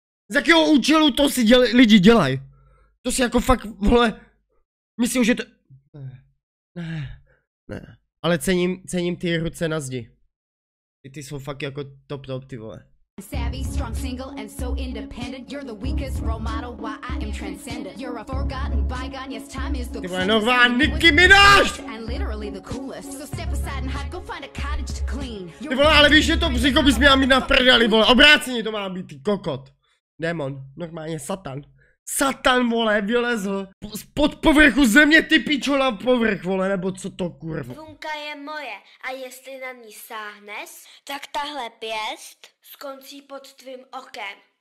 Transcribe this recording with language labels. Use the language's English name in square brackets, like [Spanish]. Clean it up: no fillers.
[Czech] Z jakého účelu to si lidi dělaj? To si jako fakt, vole... Myslím, že to... Ne. Ale cením ty ruce na zdi. Ty jsou fakt jako top, ty vole. [English] Savvy, strong, single, and so independent. You're the weakest role model, why I am transcendent. You're a forgotten bygone, yes, time is the coolest. And literally the coolest. So step aside and hide, go find a cottage to clean. [Czech] Ty vole, ale víš, že to břicho bys měla mít na prdeli, vole. Obráceně to má být, ty kokot. Démon, normálně satan. Satan, vole, vylezl spod povrchu země, ty pičo, na povrch, vole, nebo co to kurva. Bunka je moje a jestli na ní sáhneš, tak tahle pěst skončí pod tvým okem.